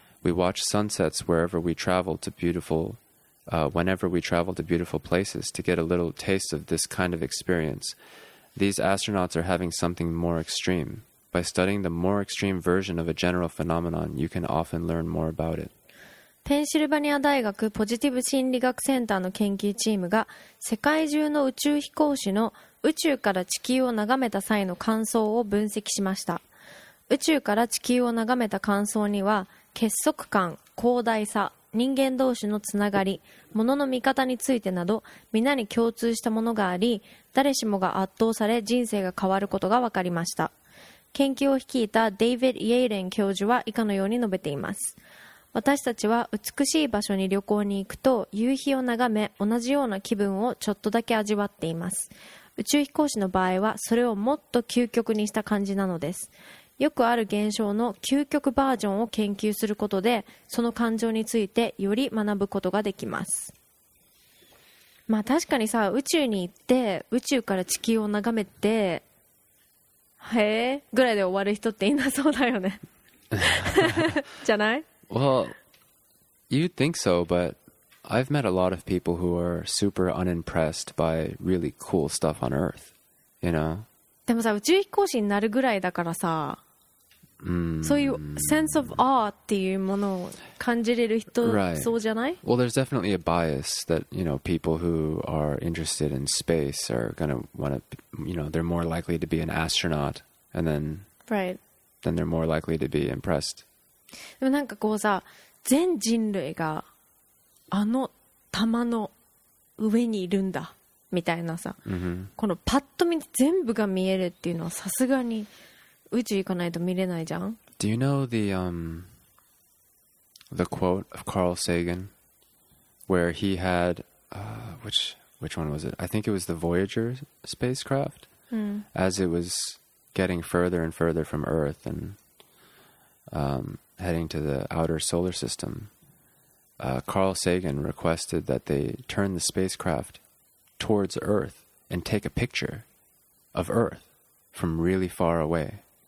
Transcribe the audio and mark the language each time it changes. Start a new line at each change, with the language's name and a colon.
English: We watch sunsets wherever we travel to beautiful whenever we travel to beautiful places to get a little taste of this kind of experience. These astronauts are having something more extreme. By studying the more extreme version of a general phenomenon, you can often learn more about it.
Japanese: ペンシルバニア大学ポジティブ心理学センターの研究チームが世界中の宇宙飛行士の宇宙から地球を眺めた際の感想を分析しました。宇宙から地球を眺めた感想には結束感、広大さ、人間同士のつながり、物の見方についてなど皆に共通したものがあり、誰しもが圧倒され人生が変わることが分かりました。研究を率いたデイヴィッド・イェイレン教授は以下のように述べています。私たちは美しい場所に旅行に行くと夕日を眺め、同じような気分をちょっとだけ味わっています。宇宙飛行士の場合はそれをもっと究極にした感じなのです。よくある現象の究極バージョンを研究することで、その感情についてより学ぶことができます。まあ確かにさ、宇宙に行って、宇宙から地球を眺めて、へえぐらいで終わる人っていなそうだよね。じゃない？
English: Well, you'd think so, but I've met a lot of people who are super unimpressed by really cool stuff on Earth, you know?
Japanese: でもさ、宇宙飛行士になるぐらいだからさ、そういう
English: sense of awe
Japanese: っていうものを感じれる人、
English: right.
Japanese: そうじゃない?
English: Well, there's definitely a bias that, you know, people who are interested in space are gonna wanna, you know, they're more likely to be an astronaut and then, right. then they're more likely to be impressed.
Japanese: でもなんかこうさ、全人類があの玉の上にいるんだみたいなさ、
English: mm-hmm.
Japanese: このパッと見全部が見えるっていうのはさすがに宇宙行かないと見れないじゃん。
English: Do you know the quote of Carl Sagan where he had which one was it? I think it was the Voyager spacecraft. As it was getting further and further from Earth and heading to the outer solar system, Carl Sagan requested that they turn the spacecraft towards Earth and take a picture of Earth from really far away.